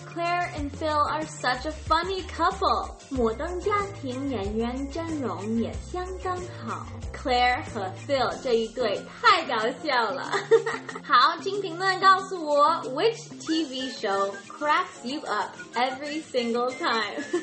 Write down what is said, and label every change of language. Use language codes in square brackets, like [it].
[en] Claire and Phil are such a funny couple. [zh] 摩登家庭演员阵容也相当好。 Claire 和 Phil 这一对太搞笑了。好，请评论告诉我 [en] which TV show cracks you up every single time.